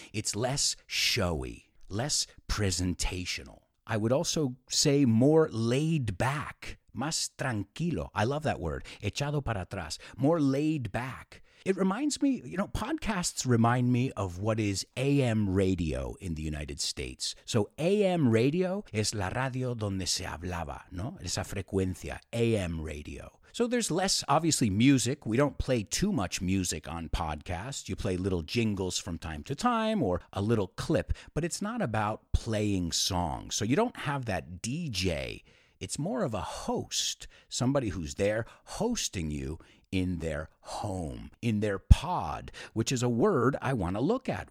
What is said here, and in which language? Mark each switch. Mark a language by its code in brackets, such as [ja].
[en] It's less showy, less presentational. I would also say more laid back, [es] más tranquilo. [en] I love that word, [es] echado para atrás, [en] more laid back. It reminds me, you know, podcasts remind me of what is AM radio in the United States. [es] So AM radio es la radio donde se hablaba, ¿no? Esa frecuencia, [en] AM radio. So there's less, obviously, music. We don't play too much music on podcasts. You play little jingles from time to time or a little clip, but it's not about playing songs. So you don't have that DJ. It's more of a host, somebody who's there hosting you in their home, in their pod, which is a word I want to look at.